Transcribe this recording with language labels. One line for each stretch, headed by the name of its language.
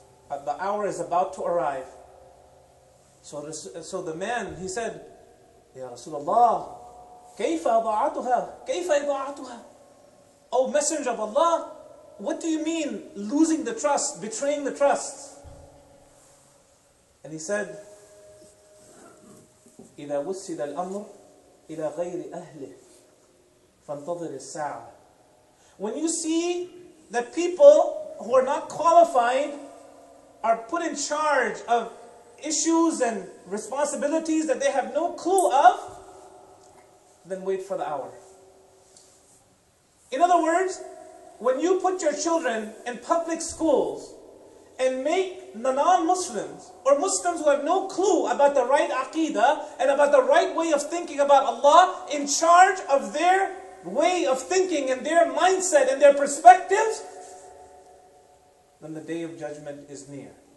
English: The hour is about to arrive. So the man, he said, Ya Rasulullah,
Arabic: كَيْفَ ضَعَتُهَا كَيْفَ ضَعَتُهَا.
English: O Messenger of Allah, what do you mean losing the trust, betraying the trust? And he said,
Arabic: إِذَا وُسِّدَ الْأَمْرُ إِلَى غَيْرِ أَهْلِهِ فَانْتَظِرِ السَّاعَةِ.
English: When you see that people who are not qualified are put in charge of issues and responsibilities that they have no clue of, then wait for the hour. In other words, when you put your children in public schools and make the non-Muslims or Muslims who have no clue about the right aqidah and about the right way of thinking about Allah in charge of their way of thinking and their mindset and their perspectives, then the Day of Judgment is near.